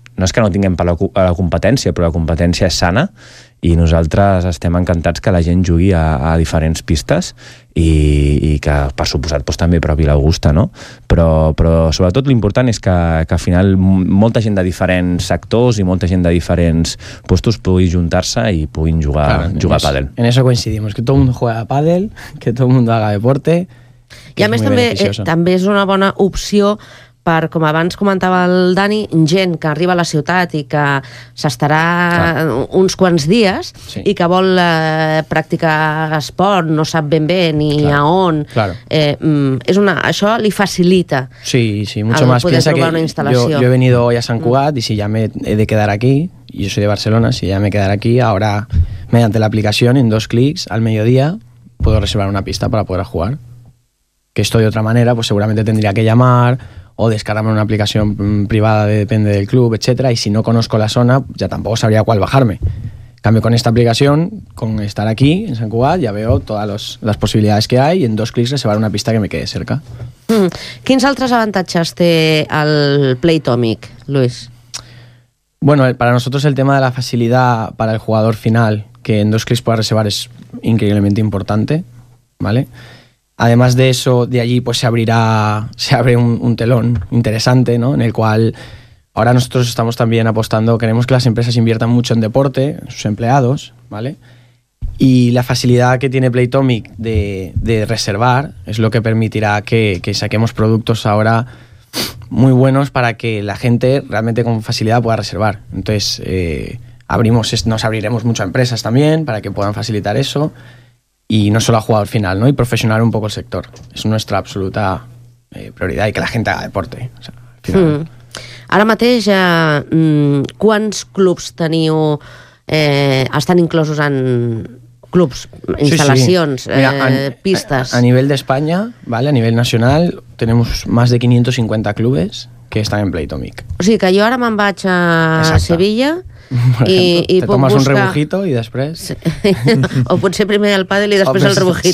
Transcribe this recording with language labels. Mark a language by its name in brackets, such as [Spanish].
[Catalan] No és que no tinguem per la competència, però la competència és sana i nosaltres estem encantats que la gent jugui a diferents pistes i que, per suposat, doncs, també provi l'Augusta, no? Però sobretot l'important és que al final molta gent de diferents sectors i molta gent de diferents puestos pugui juntar-se i puguin jugar a pàdel. [Spanish] En eso coincidimos, que todo el mundo juega a pàdel, que todo el mundo haga deporte... [Catalan] I a més també és una bona opció per, com abans comentava el Dani, gent que arriba a la ciutat i que s'estarà uns quants dies, sí, i que vol practicar esport, no sap ben bé ni [Spanish] claro, [Catalan] a on. [Spanish] Claro. [Catalan] Això li facilita. [Spanish] Sí, sí, mucho más. Piensa que yo he venido hoy a Sant Cugat y si ya me he de quedar aquí, yo soy de Barcelona, si ya me he quedar aquí, ahora mediante la aplicación, en dos clics, al mediodía, puedo reservar una pista para poder jugar. Que esto de otra manera, pues seguramente tendría que llamar o descargarme una aplicación privada, depende del club, etcétera, y si no conozco la zona, ya tampoco sabría cuál bajarme. Cambio con esta aplicación, con estar aquí, en Sant Cugat, ya veo todas las posibilidades que hay, y en dos clics reservar una pista que me quede cerca. [Catalan] ¿Quins altres avantatges té el Playtomic, Luis? [Spanish] Bueno, para nosotros el tema de la facilidad para el jugador final, que en dos clics pueda reservar, es increíblemente importante, ¿vale? Además de eso, de allí pues se abre un telón interesante, ¿no? En el cual ahora nosotros estamos también apostando, queremos que las empresas inviertan mucho en deporte, en sus empleados, ¿vale? Y la facilidad que tiene Playtomic de reservar es lo que permitirá que saquemos productos ahora muy buenos para que la gente realmente con facilidad pueda reservar. Entonces, nos abriremos mucho a empresas también para que puedan facilitar eso. Y no solo a jugar al final, ¿no? Y profesionalizar un poco el sector. Es nuestra absoluta prioridad y que la gente haga deporte. O sea, al final. [Catalan] Ara mateix, quants clubs teniu, estan inclosos en clubs, instal·lacions, sí, sí. Pistes? A nivell d'Espanya, ¿vale? A nivell nacional, tenim més de 550 clubs que estan en Playtomic. O sigui que jo ara me'n vaig a Sevilla... [Spanish] Ejemplo, te tomas un rebujito y después... Sí. [Catalan] O potser primer el pádel i després el rebujito,